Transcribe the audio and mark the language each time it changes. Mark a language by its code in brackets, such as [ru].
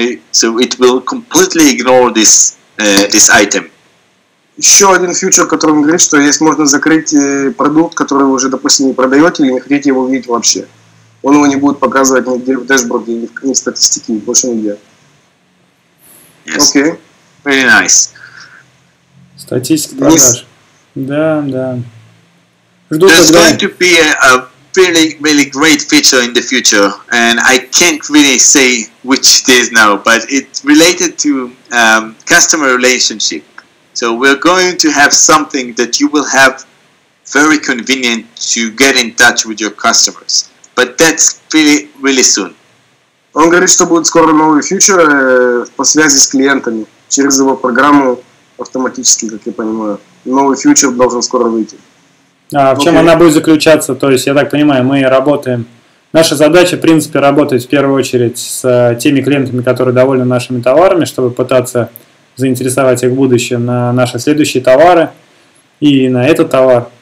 [en] So it will completely ignore this this item. [ru] Еще один фьючер, который говорит, что есть можно закрыть продукт, который вы уже, допустим, не продаете или не хотите его видеть вообще. Он его не будет показывать нигде в дашборде, ни в статистике, больше нигде. [en] Yes. Okay. Very nice. [ru] Статистика продаж. Да, да. Жду тогда. [en] Really, really great feature in the future, and I can't really say which it is now, but it's related to customer relationship. So we're going to have something that you will have very convenient to get in touch with your customers, but that's really, really soon. [ru] Он говорит, что будет скоро новый фьючер по связи с клиентами через его программу автоматически, как я понимаю. Новый фьючер должен скоро выйти. А в чем она будет заключаться? То есть, я так понимаю, мы работаем. Наша задача, в принципе, работать в первую очередь с теми клиентами, которые довольны нашими товарами, чтобы пытаться заинтересовать их в будущем на наши следующие товары и на этот товар.